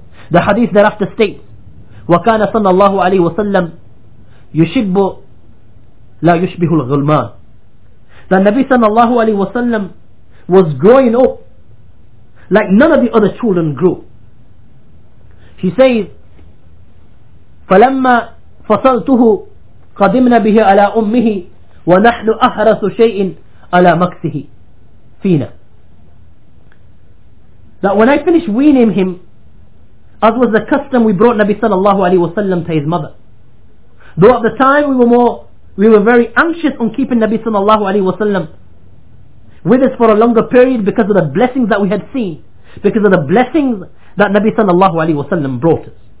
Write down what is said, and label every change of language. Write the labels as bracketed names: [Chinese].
[English] The hadith thereafter states, [Arabic] وَكَانَ صَلَّى اللَّهُ عَلَيْهِ وَسَلَّمْ يُشِبُّ لَا يُشْبِهُ الْغُلْمَانِ. [English] That Nabi sallallahu alayhi wa sallam was growing up like none of the other children grew. He says, [Arabic] فَلَمَّا فَصَلْتُهُ قَدِمْنَا بِهِ عَلَىٰ أُمِّهِ وَنَحْنُ أَحْرَسُ شَيْءٍ عَلَىٰ مَكْسِهِ فِينَا. [English] That when I finished weaning him, as was the custom, we brought Nabi sallallahu alayhi wa sallam to his mother. Though at the time we were very anxious on keeping Nabi sallallahu alayhi wa sallam with us for a longer period because of the blessings that we had seen, because of the blessings that Nabi sallallahu alayhi wa sallam brought us.